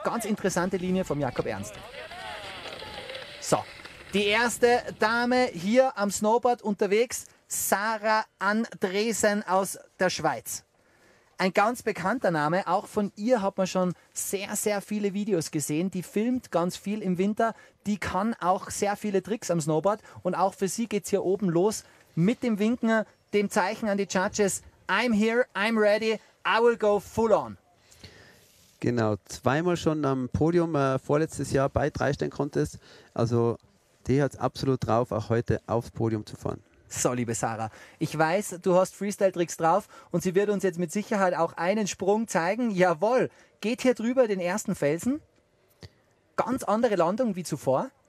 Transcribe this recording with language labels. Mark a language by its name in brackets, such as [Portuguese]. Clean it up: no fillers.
[German] Ganz interessante Linie vom Jakob Ernst. So, die erste Dame hier am Snowboard unterwegs, Sarah Andresen aus der Schweiz. Ein ganz bekannter Name, auch von ihr hat man schon sehr, sehr viele Videos gesehen. Die filmt ganz viel im Winter, die kann auch sehr viele Tricks am Snowboard. Und auch für sie geht es hier oben los mit dem Winken, dem Zeichen an die Judges. [English] I'm here, I'm ready, I will go full on. [German] Genau, zweimal schon am Podium vorletztes Jahr bei Dreistein-Contest. Also die hat es absolut drauf, auch heute aufs Podium zu fahren. So, liebe Sarah, ich weiß, du hast Freestyle-Tricks drauf und sie wird uns jetzt mit Sicherheit auch einen Sprung zeigen. Jawohl, geht hier drüber den ersten Felsen. Ganz andere Landung wie zuvor.